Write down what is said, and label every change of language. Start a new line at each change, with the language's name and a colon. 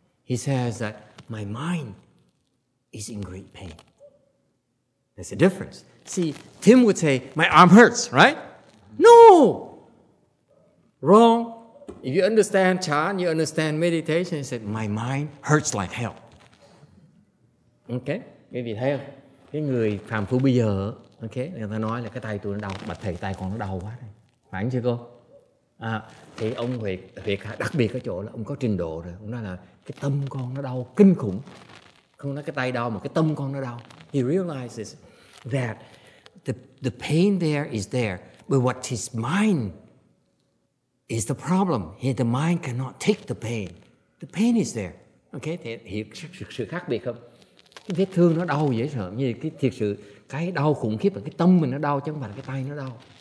English: He says that my mind is in great pain. There's a difference. See, Tim would say, my arm hurts, right? No! Wrong. If you understand chan, you understand meditation, he said, my mind hurts like hell.
Vietnamese: Okay? Quý vị thấy không? Cái người phàm phu bây giờ, okay, người ta nói là cái tay tôi nó đau, bạch thầy tay con nó đau quá. Phải không chưa cô? À, thì ông Huệ đặc biệt ở chỗ là ông có trình độ rồi. Ông nói là cái tâm con nó đau kinh khủng. Không nói cái tay đau mà cái tâm con nó đau.
English: He realizes that the pain there is there, but what his mind is the problem. Here the mind cannot take the pain. The pain is there.
Vietnamese: Okay, thì hiểu sự khác biệt không? Cái vết thương nó đau dễ sợ, như cái thiệt sự cái đau khủng khiếp là cái tâm mình nó đau chứ không phải cái tay nó đau.